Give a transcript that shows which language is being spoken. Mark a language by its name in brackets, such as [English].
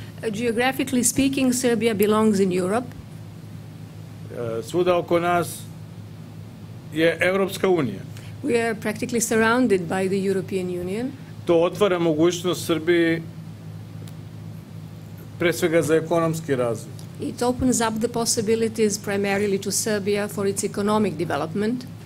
[English] Geographically speaking, Serbia belongs in Europe. [Serbian] Svuda oko nas je Evropska unija. [English] We are practically surrounded by the European Union. [Serbian] To otvara mogućnost Srbiji pre svega za ekonomski razvoj. [English] It opens up the possibilities primarily to Serbia for its economic development.